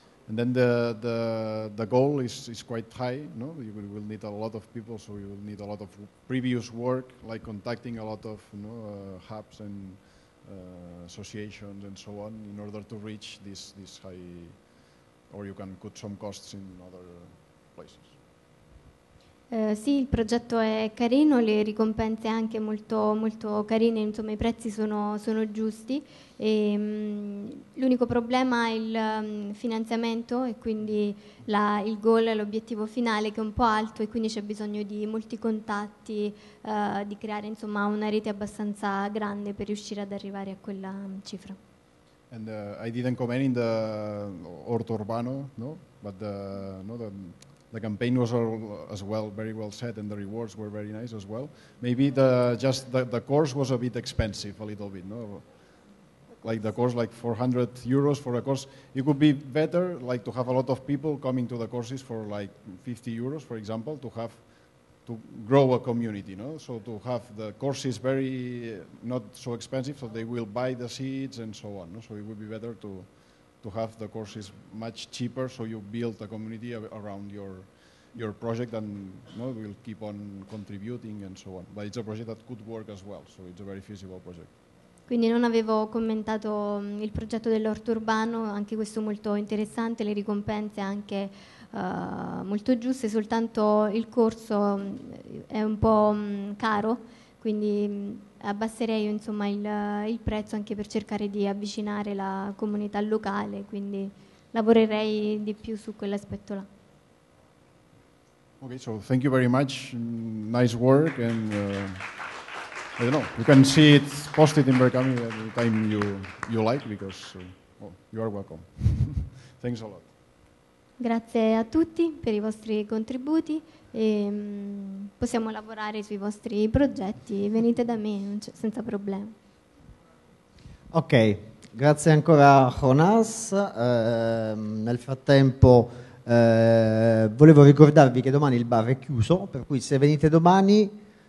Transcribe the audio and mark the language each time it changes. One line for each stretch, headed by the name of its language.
English: And then the goal is quite high. No, you will need a lot of people, so you will need a lot of previous work, like contacting a lot of hubs and associations and so on, in order to reach this high. Or you can cut some costs in other places.
Italian: Sì, il progetto è carino, le ricompense anche molto molto carine, insomma i prezzi sono giusti. E, l'unico problema è il finanziamento e quindi il goal è l'obiettivo finale che è un po' alto e quindi c'è bisogno di molti contatti, di creare insomma una rete abbastanza grande per riuscire ad arrivare a quella cifra.
English: And I didn't comment in the Orto Urbano, no? But the campaign was all as well very well set and the rewards were very nice as well. Maybe the course was a bit expensive, a little bit, no? Like the course, like 400 euros for a course. It could be better, like to have a lot of people coming to the courses for like 50 euros, for example, to grow a community, no? So to have the courses very not so expensive, so they will buy the seats and so on, no? So it would be better to have the courses much cheaper, so you build a community around your project and, no, will keep on contributing and so on. But it's a project that could work as well, so it's a very feasible project.
Italian: Quindi non avevo commentato il progetto dell'orto urbano, anche questo molto interessante, le ricompense anche molto giuste, soltanto il corso è un po' caro, quindi abbasserei insomma il prezzo anche per cercare di avvicinare la comunità locale, quindi lavorerei di più su quell'aspetto là.
English: Okay, so thank you very much. Nice work and I don't know. You can see it posted in Berkami any time you like because you are welcome. Thanks a lot.
Italian: Grazie a tutti per i vostri contributi. E possiamo lavorare sui vostri progetti, venite da me senza problemi. Ok, grazie ancora a Jonas. Nel frattempo volevo ricordarvi che domani il bar è chiuso, per cui se venite domani